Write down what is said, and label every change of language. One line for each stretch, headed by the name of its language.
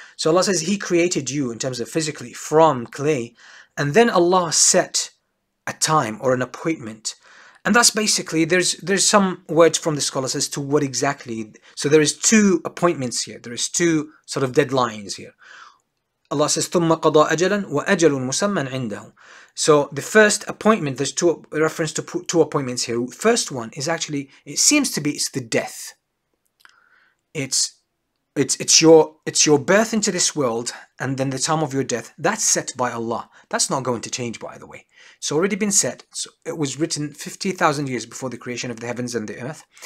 English: So Allah says He created you in terms of physically from clay. And then Allah set a time or an appointment. And that's basically, there's some words from the scholars as to what exactly. So there is two appointments here. There is two sort of deadlines here. Allah says,
Arabic: ثُمَّ قَضَى أَجَلًا وَأَجَلٌ مُسَمَّنْ عِنْدَهُ.
English: So the first appointment, there's two reference to two appointments here. First one is actually, it seems to be, it's the death. It's your birth into this world, and then the time of your death, that's set by Allah. That's not going to change, by the way. It's already been set. So it was written 50,000 years before the creation of the heavens and the earth.